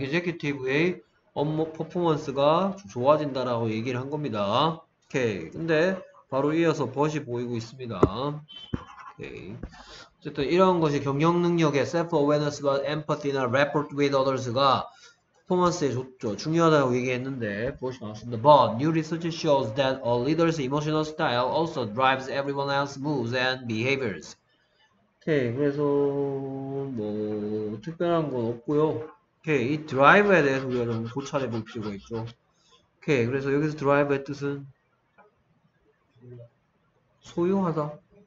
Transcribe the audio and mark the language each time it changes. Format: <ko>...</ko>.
<ko>이게 executive의 업무 퍼포먼스가 좋아진다라고 얘기를 한 겁니다. 오케이. 근데 바로 이어서 벗이 보이고 있습니다. 오케이. 어쨌든 이러한 것이 경영 능력의 self-awareness와 empathy나</ko> <en>rapport with others</en> <ko>가 퍼포먼스에 좋죠. 중요하다고 얘기했는데 보시면 아십니다.</ko> <en>But new research shows that a leader's emotional style also drives everyone else's moves and behaviors.</en> <ko>오케이. 그래서 뭐 특별한 건 없고요. 오케이. 이 드라이브에 대해서 우리가 좀 고찰해 볼 필요가 있죠. 오케이. 그래서 여기서 드라이브의 뜻은 소유하다.</ko>